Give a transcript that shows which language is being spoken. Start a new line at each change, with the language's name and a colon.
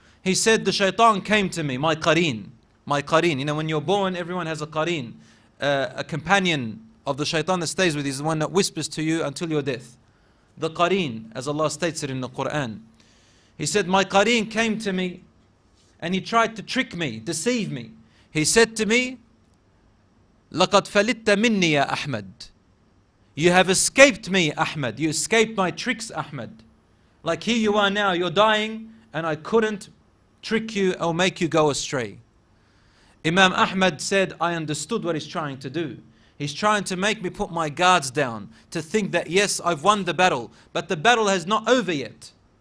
English: He said, the shaitan came to me, my qareen. You know, when you're born, everyone has a qareen, a companion of the shaitan that stays with you, is the one that whispers to you until your death. The qareen, as Allah states it in the Quran. He said, my qareen came to me and he tried to trick me, deceive me. He said to me,
Arabic: لَقَدْ فَلِتَّ مِنِّي يَا أَحْمَدْ.
English: You have escaped me, Ahmad. You escaped my tricks, Ahmad. Like here you are now, you're dying, and I couldn't trick you or make you go astray. Imam Ahmad said, I understood what he's trying to do. He's trying to make me put my guards down, to think that yes, I've won the battle, but the battle has not over yet.